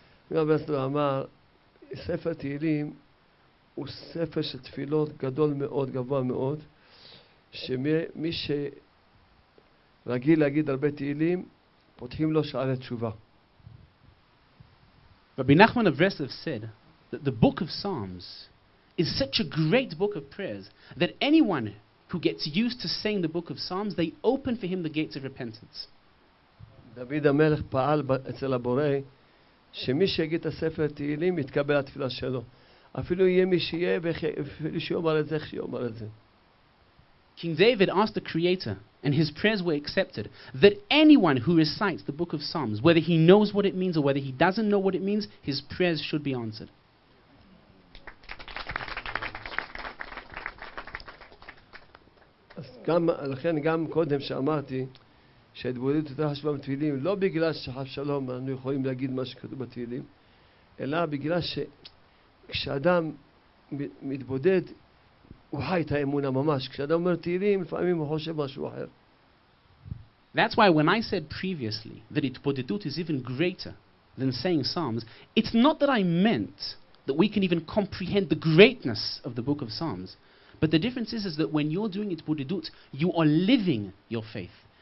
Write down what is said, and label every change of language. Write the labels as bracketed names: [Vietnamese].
[Hebrew] הרב אסדור אמר, ספר תהילים הוא ספר של תפילות גדול מאוד, גבוה מאוד, שמי שרגיל להגיד הרבה תהילים, פותחים לו שערי תשובה. [English] רבי נחמן אברסלב said that the book of Psalms is such a great book of prayers that anyone who gets used to saying the book of Psalms, they open for him the gates of repentance. [Hebrew] David המלך פעל אצל הבורא שמי שיגיד את הספר תהילים יתקבל התפילה שלו. אפילו יהיה מי שיהיה ואפילו שיאמר את זה, איך שיאמר את זה. [English] King David asked the Creator, and his prayers were accepted, that anyone who recites the book of Psalms, whether he knows what it means or whether he doesn't know what it means, his prayers should be answered. [Hebrew] אז גם, לכן גם קודם שאמרתי שההתבודדות יותר חשובה בתהילים, לא בגלל שחב שלום אנו יכולים להגיד מה שכתוב בתהילים, אלא בגלל שכשאדם מתבודד, הוא חי את האמונה ממש. כשאדם אומר תהילים, לפעמים הוא חושב משהו אחר. [English] That's why when I said previously that התבודדות is even greater than saying Psalms, it's not that I meant that we can even comprehend the greatness of the book of Psalms. But the difference is that when you're doing התבודדות, you are living your faith.